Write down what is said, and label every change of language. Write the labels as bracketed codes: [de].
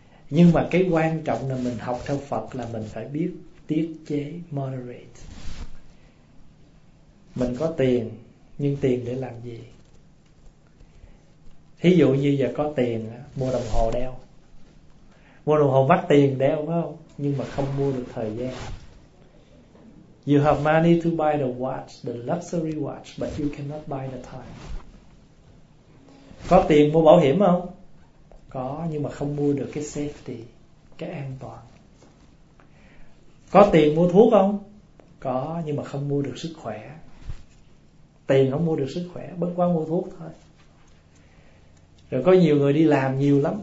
[vi] Nhưng mà cái quan trọng là mình học theo Phật là mình phải biết tiết chế, moderate. Mình có tiền, nhưng tiền để làm gì? Thí dụ như giờ có tiền mua đồng hồ đeo. Mua đồng hồ mắc tiền đeo phải không? Nhưng mà không mua được thời gian. [en] You have money to buy the watch, the luxury watch, but you cannot buy the time. [vi] Có tiền mua bảo hiểm không? Có, nhưng mà không mua được cái safety, cái an toàn. Có tiền mua thuốc không? Có, nhưng mà không mua được sức khỏe. Tiền không mua được sức khỏe, bất quá mua thuốc thôi. Rồi có nhiều người đi làm nhiều lắm.